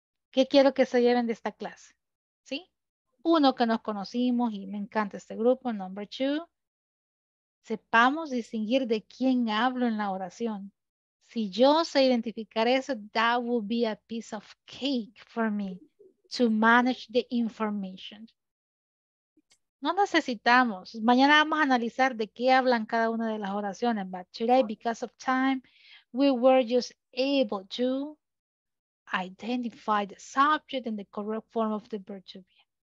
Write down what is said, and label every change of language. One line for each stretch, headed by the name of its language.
Spanish: ¿Qué quiero que se lleven de esta clase? ¿Sí? Uno, que nos conocimos y me encanta este grupo.
English: Number two,
Spanish: sepamos distinguir de quién hablo en la oración. Si yo sé identificar eso,
English: that would be a piece of cake for me to manage the information.
Spanish: No necesitamos. Mañana vamos a analizar de qué hablan cada una de las oraciones.
English: But today, because of time, we were just able to identify the subject and the correct form of the verb to be.